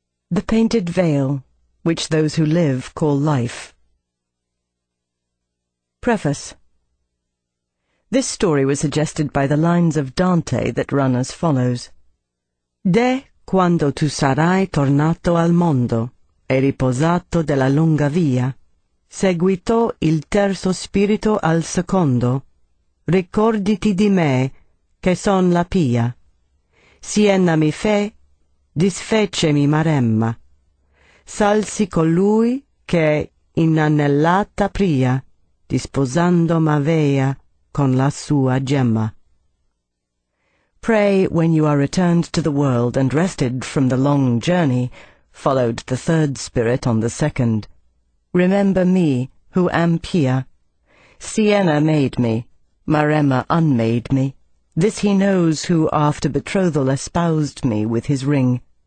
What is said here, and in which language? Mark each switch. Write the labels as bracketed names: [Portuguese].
[English] The Painted Veil, which those who live call life. Preface. This story was suggested by the lines of Dante that run as follows. [Italian] De quando tu sarai tornato al mondo e riposato della lunga via, seguito il terzo spirito al secondo, ricorditi di me che son la pia. Siena mi fe, disfecemi maremma. Salsi colui che inanellata pria, disposando m'avea con la sua gemma. [English] Pray, when you are returned to the world and rested from the long journey, followed the third spirit on the second, remember me, who am Pia. Siena made me, Maremma unmade me. This he knows who, after betrothal, espoused me with his ring.